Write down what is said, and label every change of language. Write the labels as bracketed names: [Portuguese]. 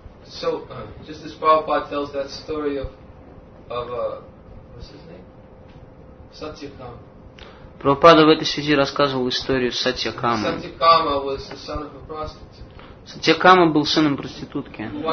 [English] So, just as Prabhupada tells that story of what's his name? Satyakama. [Russian] Прабхупада в этой связи рассказывал историю Сатьякамы. [English] Satyakama was the son of a prostitute. [Russian] Сатьякама был сыном проститутки.